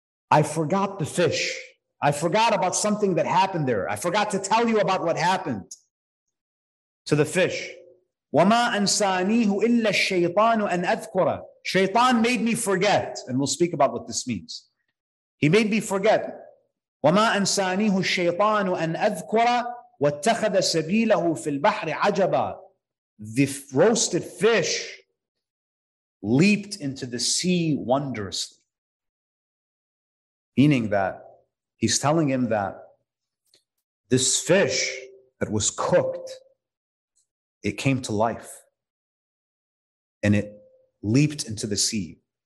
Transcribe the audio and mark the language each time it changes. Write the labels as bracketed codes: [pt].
[en] I forgot the fish. I forgot about something that happened there. I forgot to tell you about what happened to the fish. [ar] وَمَا أَنْسَانِيهُ إِلَّا الشَّيْطَانُ أَنْ أَذْكُرَ. [en] Shaytan made me forget. And we'll speak about what this means. He made me forget. [ar] وَمَا أَنْسَانِيهُ الشَّيْطَانُ أَنْ أَذْكُرَ وَاتَّخَذَ سَبِيلَهُ فِي الْبَحْرِ عَجَبًا. [en] The roasted fish leaped into the sea wondrously. Meaning that he's telling him that this fish that was cooked, it came to life and it leaped into the sea.